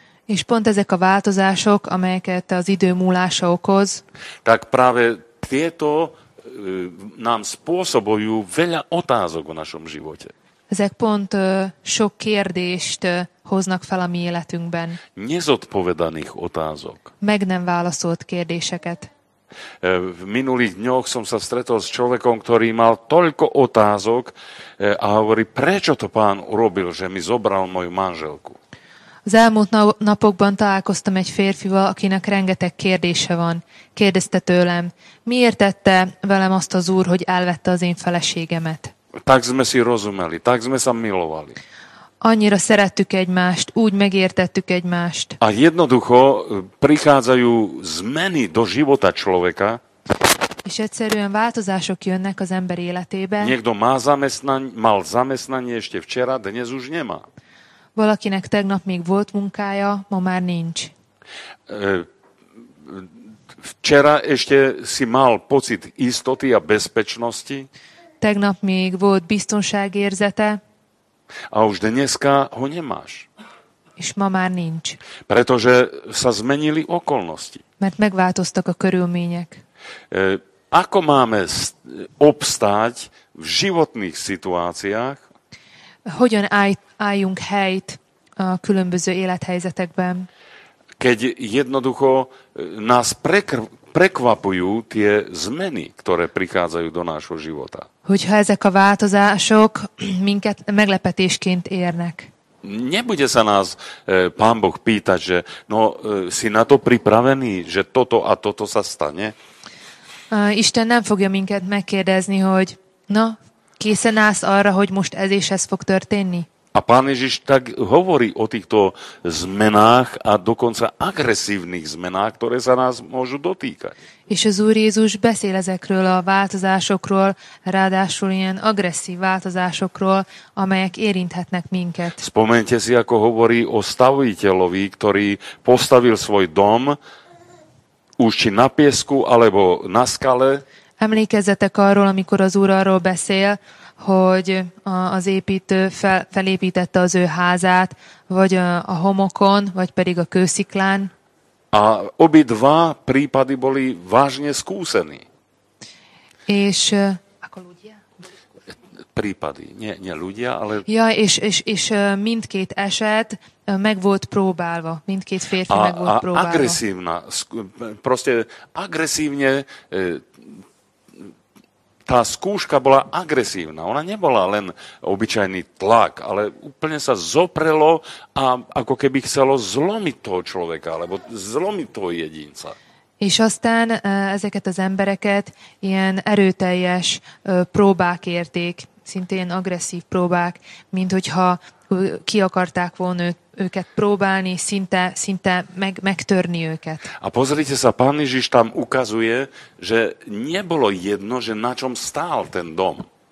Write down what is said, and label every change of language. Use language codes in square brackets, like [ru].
[hu] és pont ezek a változások, amelyeket az idő múlása okoz, [sk] tak práve tieto nám spôsobujú veľa otázok v našom živote. [hu] Ezek pont sok kérdést hoznak fel a mi életünkben. [sk] Nezodpovedaných otázok. [hu] Meg nem válaszolt kérdéseket. [sk] V minulých dňoch som sa stretol s človekom, ktorý mal toľko otázok a hovorí, prečo to Pán urobil, že mi zobral moju manželku. [hu] Az elmúlt napokban találkoztam egy férfival, akinek rengeteg kérdése van. Kérdezte tőlem, miért tette velem azt az Úr, hogy elvette az én feleségemet? [sk] Tak sme si rozumeli, tak sme sa milovali. [hu] Annyira szerettük egymást, úgy megértettük egymást. [sk] A jednoducho prichádzajú zmeny do života človeka. [hu] És egyszerűen változások jönnek az ember életébe. [sk] Niekto mal zamestnanie ešte včera, dnes už nemá. [hu] Valakinek tegnap még volt munkája, ma már nincs. [sk] Včera ešte si mal pocit istoty a bezpečnosti. [hu] Tegnap még volt biztonságérzete. [sk] A už dneska ho nemáš. [hu] és ma már nincs. [sk] Pretože sa zmenili okolnosti. [hu] Mert megváltoztak a körülmények. [sk] Ako máme obstáť v životných situáciách? [hu] Hogyan álljunk helyt a különböző élethelyzetekben? [sk] Keď jednoducho nás prekvapujú tie zmeny, ktoré prichádzajú do nášho života. [hu] Hogyha ezek a változások minket meglepetésként érnek. [sk] Nebude sa nás Pán Boh pýtať, že no, si na to pripravený, že toto a toto sa stane? [hu] Isten nem fogja minket megkérdezni, hogy no, készen állsz arra, hogy most ez és ez fog történni? [sk] A Pán Ježiš tak hovorí o týchto zmenách a dokonca agresívnych zmenách, ktoré sa nás môžu dotýkať. [hu] És az Úr Jézus beszél ezekről a változásokról, ráadásul ilyen agresszív változásokról, amelyek érinthetnek minket. [sk] Spomente si, ako hovorí o staviteľovi, ktorý postavil svoj dom už či na piesku alebo na skale. [hu] Emlékezzetek arról, amikor az Úr arról beszél, hogy az építő felépítette az ő házát, vagy a homokon, vagy pedig a kősziklán. [sk] A obidva prípady boli vážne skúsení. [hu] És [sk] ako ľudia? Prípady, nie ľudia, ale... [hu] Ja, és mindkét eset meg volt próbálva, mindkét férfi meg volt próbálva. [sk] Agresívna, proste agresívne... Tá skúška bola agresívna. Ona nebola len obyčajný tlak, ale úplne sa zoprelo a ako keby chcelo zlomiť toho človeka, alebo zlomiť toho jedinca. [hu] És aztán ezeket az embereket ilyen erőteljes próbák érték, szinte ilyen agresszív próbák, mint hogyha ki akarták volna őket próbálni, szinte megtörni őket. [sk] A pozrite sa, Pán Ježiš tam ukazuje, že nebolo jedno, že na čom stál ten dom.